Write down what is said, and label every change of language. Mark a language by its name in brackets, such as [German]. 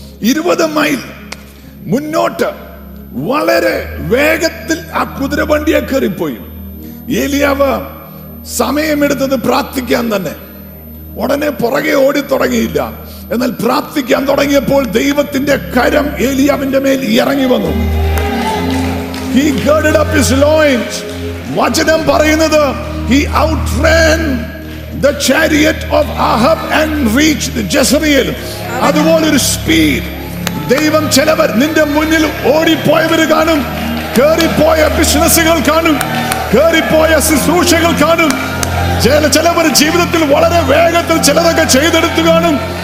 [Malayalam] 20 mile മുന്നോട്ട് വളരെ വേഗത്തിൽ ആ കുതിരവണ്ടിയെ കയറിപ്പോയി. ഏലിയാവ് സമയമെടുത്തത് പ്രാർത്ഥിക്കാൻ തന്നെ, ഉടനെ പുറകെ ഓടി തുടങ്ങിയില്ല, എന്നാൽ പ്രാർത്ഥിക്കാൻ തുടങ്ങിയപ്പോൾ ദൈവത്തിന്റെ കരം ഏലിയാവിന്റെ മേൽ ഇറങ്ങി വന്നു. [English] He girded up his loins. [Malayalam] Vachanam parayunnathu, [English] he outran the chariot of Ahab and reached Jezreel. [Malayalam] Adu pole oru speed ദൈവം ചിലവർ നിന്റെ മുന്നിൽ ഓടിപ്പോയവര് കാണും, കേറിപ്പോയ ബിസിനസ്സുകൾ കാണും, കേറിപ്പോയ ശുശ്രൂഷകൾ കാണും. ചിലവർ ജീവിതത്തിൽ വളരെ വേഗത്തിൽ ചിലതൊക്കെ ചെയ്തെടുത്തു കാണും.